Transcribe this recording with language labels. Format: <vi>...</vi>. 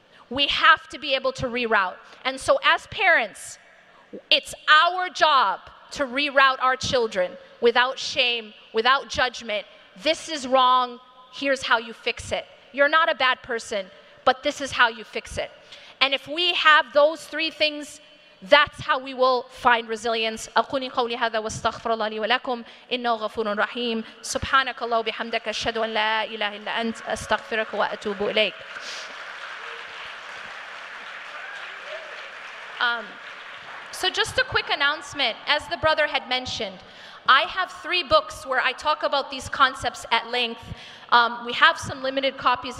<en>We have to be able to reroute. And so as parents, it's our job to reroute our children without shame, without judgment. This is wrong. Here's how you fix it. You're not a bad person, but this is how you fix it. And if we have those three things, that's how we will find resilience.</en> <ar>أقول قولي هذا واستغفر الله لي ولكم إنه غفور رحيم. سبحانك الله وبحمدك أشهد أن لا إله إلا أنت أستغفرك وأتوب إليك.</ar> <en>So just a quick announcement, as the brother had mentioned, I have three books where I talk about these concepts at length. We have some limited copies.</en>